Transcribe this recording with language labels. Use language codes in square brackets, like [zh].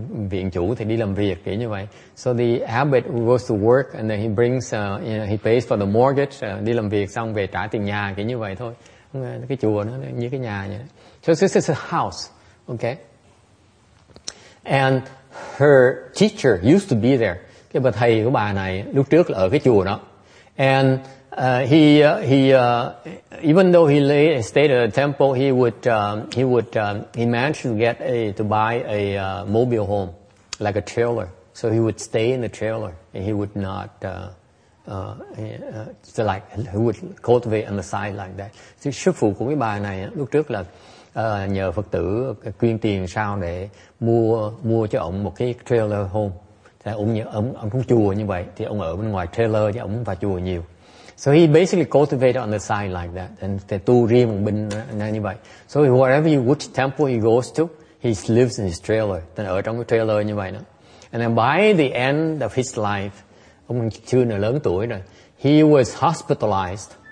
[vi] Viện chủ thì đi làm việc kiểu như vậy. [en] So the abbot goes to work and then he brings, he pays for the mortgage. [vi] Đi làm việc xong về trả tiền nhà kiểu như vậy thôi. Cái chùa nó như cái nhà vậy. [en] So this is a house, okay? And her teacher used to be there. [vi] Cái bà thầy của bà này lúc trước là ở cái chùa đó. [en] And he even though he lay, stayed at a temple, he managed to get to buy a mobile home, like a trailer. So he would stay in the trailer and he would not he would cultivate on the side like that. [vi] Thì sư phụ của cái bà này lúc trước là nhờ Phật tử quyên tiền sao để mua cho ông một cái trailer home. Thì ông cũng chùa như vậy, thì ông ở bên ngoài trailer chứ ông không vào chùa nhiều. [en] So he basically cultivated on the side like that, and [vi] tu riêng một bên như vậy. [en] So wherever which temple he goes to, he lives in his trailer. [vi] Then ở trong cái trailer như vậy đó. [en] And then by the end of his life, [vi] ông chưa nở lớn tuổi rồi, [en] he was hospitalized.